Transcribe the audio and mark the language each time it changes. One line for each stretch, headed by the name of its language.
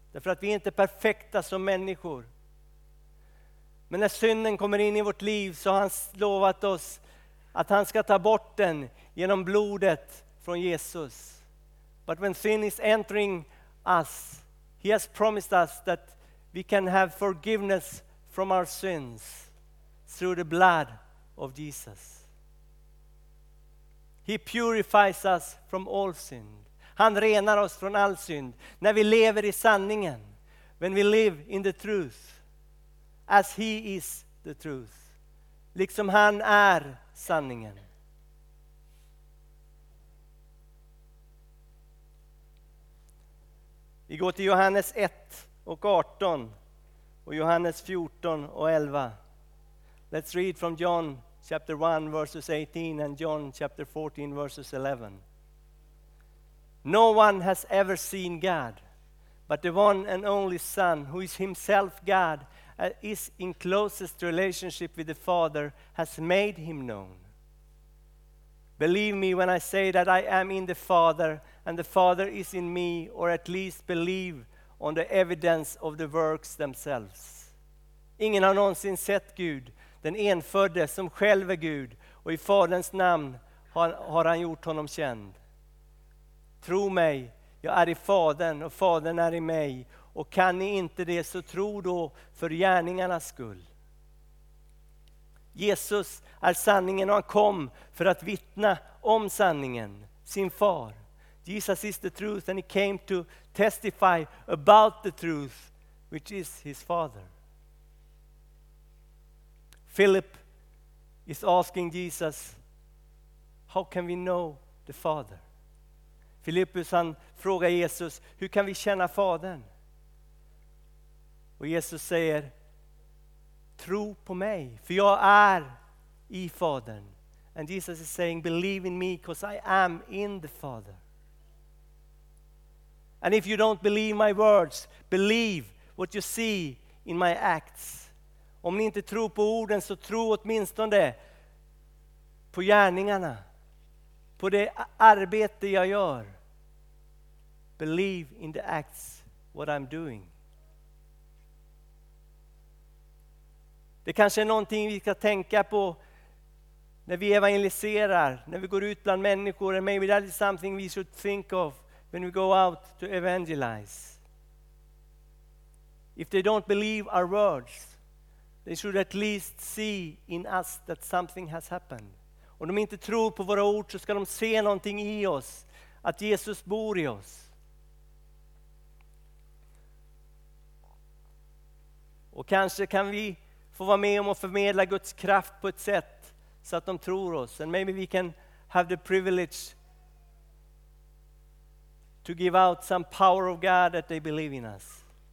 Swedish: Därför att vi inte är perfekta som människor. Men när synden kommer in i vårt liv så har han lovat oss att han ska ta bort den genom blodet från Jesus.
English: But when sin is entering us, he has promised us that we can have forgiveness from our sins through the blood of Jesus. He purifies us from all sin.
Swedish: Han renar oss från all synd. När vi lever i sanningen.
English: When we live in the truth. As he is the truth.
Swedish: Liksom han är sanningen. Vi går till Johannes 1 och 18 och Johannes 14 och 11.
English: Let's read from John chapter 1 verses 18 and John chapter 14 verses 11. No one has ever seen God, but the one and only Son, who is himself God, is in closest relationship with the Father, has made him known. Believe me when I say that I am in the Father and the Father is in me, or at least believe on the evidence of the works themselves.
Swedish: Ingen har någonsin sett Gud, den enfödde som själv är Gud, och i Faderns namn har han gjort honom känd. Tro mig, jag är i Fadern och Fadern är i mig, och kan ni inte det så tro då för gärningarnas skull. Jesus är sanningen och han kom för att vittna om sanningen, sin far.
English: Jesus is the truth and he came to testify about the truth, which is his father. Philip is asking Jesus, how can we know the father?
Swedish: Filippus han frågar Jesus, hur kan vi känna fadern? Och Jesus säger, tro på mig, för jag är i Fadern.
English: And Jesus is saying, believe in me, because I am in the Father. And if you don't believe my words, believe what you see in my acts.
Swedish: Om ni inte tror på orden, så tro åtminstone på gärningarna. På det arbete jag gör.
English: believe in the acts, what I'm doing.
Swedish: Det kanske är någonting vi ska tänka på när vi evangeliserar, när vi går ut bland människor,
English: and maybe that is something we should think of when we go out to evangelize. If they don't believe our words, they should at least see in us that something has happened.
Swedish: Om de inte tror på våra ord så ska de se någonting i oss, att Jesus bor i oss. Och kanske kan vi få vara med om att förmedla Guds kraft på ett sätt så att de tror oss.
English: And maybe we can have the privilege to give out some power of God that they believe in us.